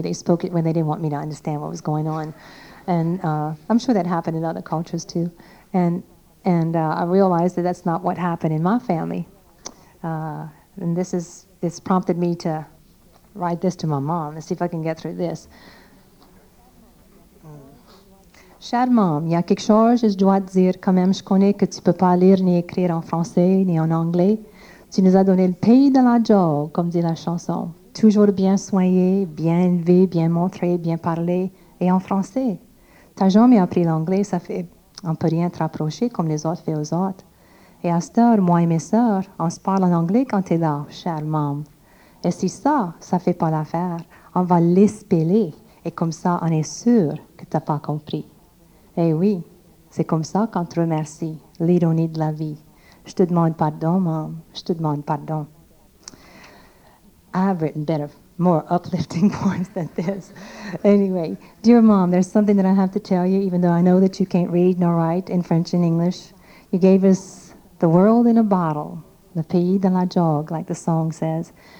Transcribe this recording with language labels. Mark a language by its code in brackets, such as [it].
[en] They spoke it when they didn't want me to understand what was going on. And I'm sure that happened in other cultures too. And I realized that that's not what happened in my family. And this prompted me to write this to my mom and see if I can get through this. [fr] Chère maman, il y a quelque chose que je dois te dire quand même. Je connais que tu ne peux pas lire ni écrire en français ni en anglais. Tu nous as donné le pays de la joie, comme dit la chanson. Toujours bien soigné, bien élevé, bien montré, bien parlé et en français. Tu n'as jamais appris l'anglais, ça fait un peu rien te rapprocher comme les autres font aux autres. Et à cette heure, moi et mes sœurs, on se parle en anglais quand tu es là, chère maman. Et si ça ne fait pas l'affaire, on va l'espeler et comme ça, on est sûr que tu n'as pas compris. Eh oui, c'est comme ça qu'on te remercie, l'ironie de la vie. Je te demande pardon, mom. Je te demande pardon. [en] I've written better, more uplifting poems than this. Anyway, dear mom, there's something that I have to tell you, even though I know that you can't read nor write in French and English. You gave us the world in a bottle, [fr] le pays de la jogue, [en] like the song says.